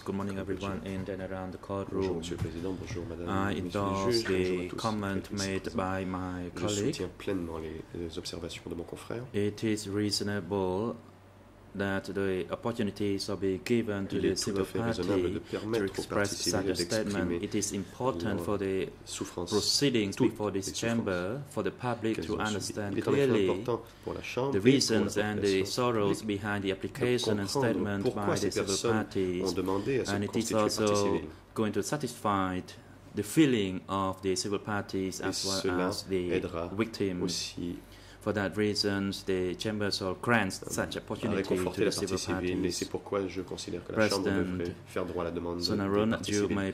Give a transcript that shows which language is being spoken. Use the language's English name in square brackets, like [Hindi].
[English] Good morning, everyone in and around the courtroom. [French] Bonjour, bonjour, madame, [English] I endorse the comment made by my colleague. [French] Je soutiens pleinement les observations de mon confrère. [English] It is reasonable that the opportunities are being given to the civil party to express such a statement. It is important for the proceedings before this chamber for the public to understand clearly the reasons and the sorrows behind the application and statement by the civil parties. And it is also going to satisfy the feeling of the civil parties as well as the victims. For that reason, the chambers will grant such opportunity to the civil parties. [French] C'est pourquoi je considère que la Chambre devrait faire droit à la demande de la partie civile.